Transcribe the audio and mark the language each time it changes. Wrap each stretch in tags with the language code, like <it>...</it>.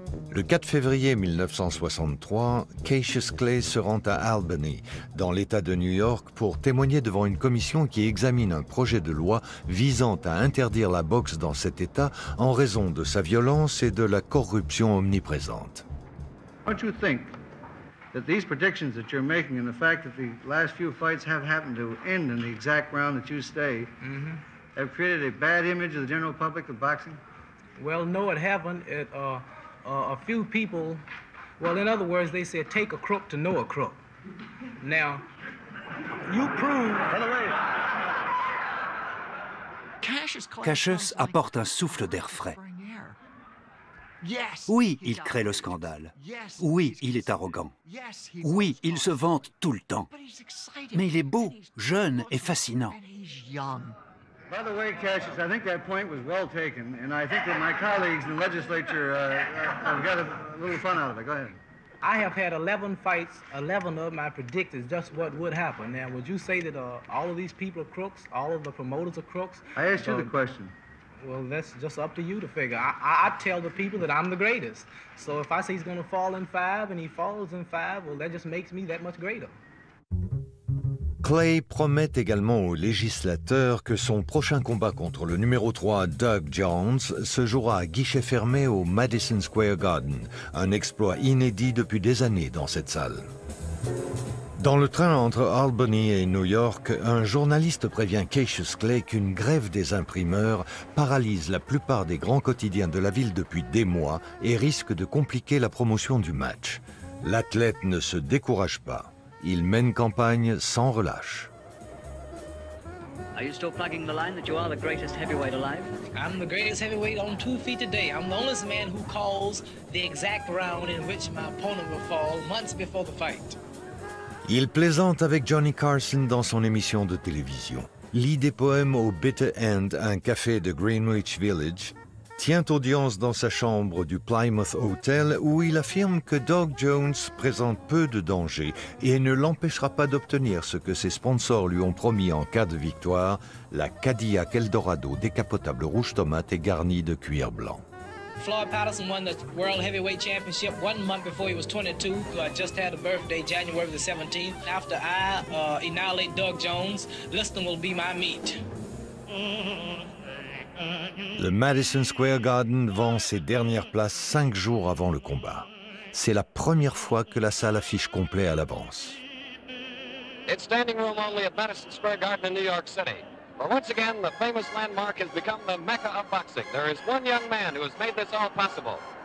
<fr>Le 4 février 1963, Cassius Clay se rend à Albany, dans l'État de New York, pour témoigner devant une commission qui examine un projet de loi visant à interdire la boxe dans cet État en raison de sa violence et de la corruption omniprésente.</fr> <en>Don't you think that these predictions that you're making and the fact that the last few fights have happened to end in the exact round that you stay have created a bad image of the general public of boxing? Well, no, it haven't. A few people, well, in other words, they said, take a crook to know a crook. Now, you prove...</en> <fr>Cassius apporte un souffle d'air frais. Oui, il crée le scandale. Oui, il est arrogant. Oui, il se vante tout le temps. Mais il est beau, jeune et fascinant.</fr> <en>By the way, Cassius, I think that point was well taken, and I think that my colleagues in the legislature have got a little fun out of it. Go ahead. I have had 11 fights, 11 of them I predicted just what would happen. Now, would you say that all of these people are crooks, all of the promoters are crooks? I asked you the question. Well, that's just up to you to figure. I tell the people that I'm the greatest. So if I say he's going to fall in five and he falls in five, well, that just makes me that much greater.</en> <fr>Clay promet également aux législateurs que son prochain combat contre le numéro 3, Doug Jones, se jouera à guichet fermé au Madison Square Garden, un exploit inédit depuis des années dans cette salle. Dans le train entre Albany et New York, un journaliste prévient Cassius Clay qu'une grève des imprimeurs paralyse la plupart des grands quotidiens de la ville depuis des mois et risque de compliquer la promotion du match. L'athlète ne se décourage pas. Il mène campagne sans relâche.</fr> <en>Are you still plugging the line that you are the greatest heavyweight alive? I'm the greatest heavyweight on 2 feet today. I'm the only man who calls the exact round in which my opponent will fall months before the fight.</en> <fr>Il plaisante avec Johnny Carson dans son émission de télévision. Lit des poèmes au Bitter End, un café de Greenwich Village. Tient audience dans sa chambre du Plymouth Hotel où il affirme que Doug Jones présente peu de danger et ne l'empêchera pas d'obtenir ce que ses sponsors lui ont promis en cas de victoire, la Cadillac Eldorado décapotable rouge tomate et garnie de cuir blanc.</fr> <en>Floyd Patterson won the World Heavyweight Championship 1 month before he was 22. I just had a birthday, January the 17th. After I annihilate Doug Jones, Liston will be my meat.</en> <fr>Le Madison Square Garden vend ses dernières places 5 jours avant le combat. C'est la première fois que la salle affiche complet à l'avance.</fr> <en>It's standing room only at Madison Square Garden in New York City. But once again, the famous landmark has become the mecca of boxing. There is one young man who has made this all possible.</en>